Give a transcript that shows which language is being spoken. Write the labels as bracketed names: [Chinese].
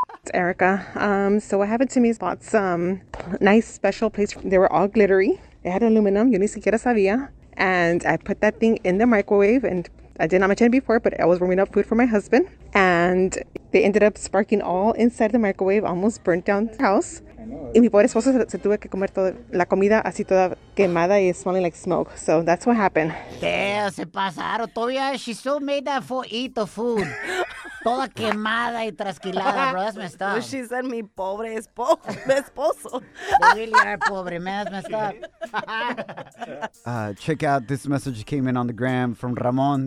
[English] It's Erica. So what happened to me is bought some nice special plates. They were all glittery. It had aluminum, [Spanish] yo ni siquiera sabía. [English] And I put that thing in the microwave, and I did not mention it before, but I was warming up food for my husband. And they ended up sparking all inside the microwave, almost burnt down the house. I know. [Spanish] Y mi pobre esposo se tuvo que comer toda la comida así toda quemada y [English] smelling like smoke. So that's what happened. [Spanish] Damn, se pasaron todavía. [English] She still made that for eat the food. [Spanish] Toda quemada y trasquilada, [English] bro. That's messed up. Well, she said [Spanish] mi pobre esposo. [English] They really are pobre, man. That's messed up. Check out this message that came in on the gram from Ramon.